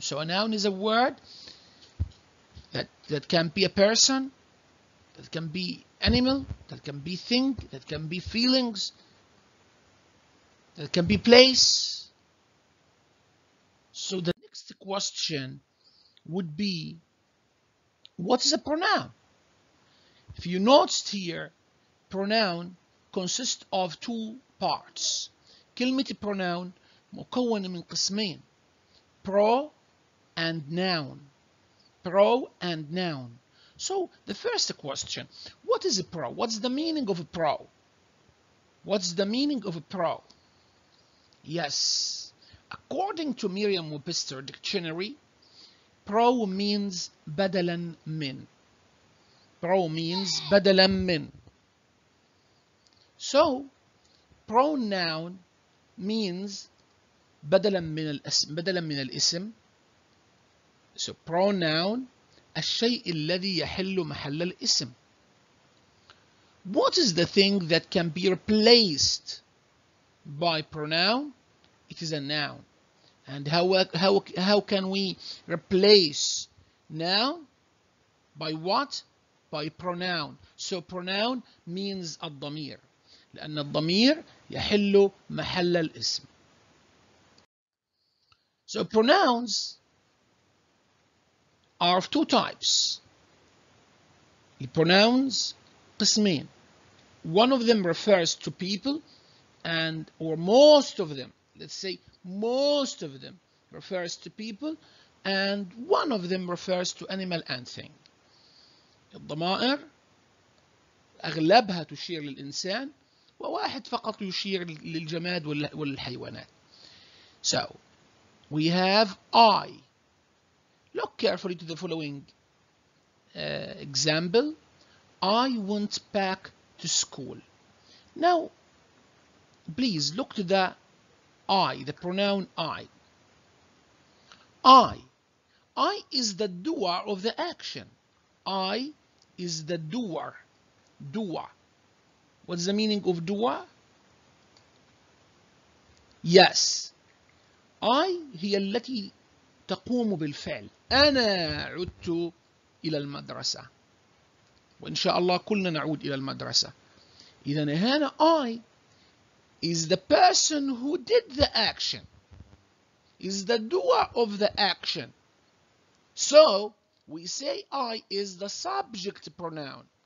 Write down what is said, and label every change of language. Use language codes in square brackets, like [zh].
[en] So a noun is a word that can be a person, that can be animal, that can be thing, that can be feelings, that can be place. So the next question would be, what is a pronoun? If you noticed here, pronoun consists of two parts. [ar] كلمة pronoun مكون من قسمين. [en] Pro and noun. Pro and noun. So, the first question, what is a pro? What's the meaning of a pro? What's the meaning of a pro? Yes, according to Merriam-Webster dictionary, pro means [ar] badalan min. [en] Pro means [ar] badalan min. [en] So, pronoun means [ar] badalan min al-ism. [en] So, pronoun. [ar] الشيء الذي يحل محل الاسم. [en] What is the thing that can be replaced by pronoun? It is a noun. And how can we replace noun by what? By pronoun. So pronoun means الضمير. [ar] لأن الضمير يحل محل الاسم. [en] So pronouns are of two types. The pronouns [ar] قسمين. [en] One of them refers to people, and or most of them, let's say most of them refers to people, and one of them refers to animal and thing. [ar] الضمائر أغلبها تشير للإنسان وواحد فقط يشير للجماد والحيوانات. [en] So we have I. Look carefully to the following example. I went back to school. Now, please look to the I, the pronoun I. I is the doer of the action. I is the doer. Doer. What's the meaning of doer? [ar] Yes. I هي التي تقوم بالفعل. أنا عدت إلى المدرسة. وإن شاء الله كلنا نعود إلى المدرسة. إذن هنا [en] I is the person who did the action. Is the doer of the action. So, we say I is the subject pronoun.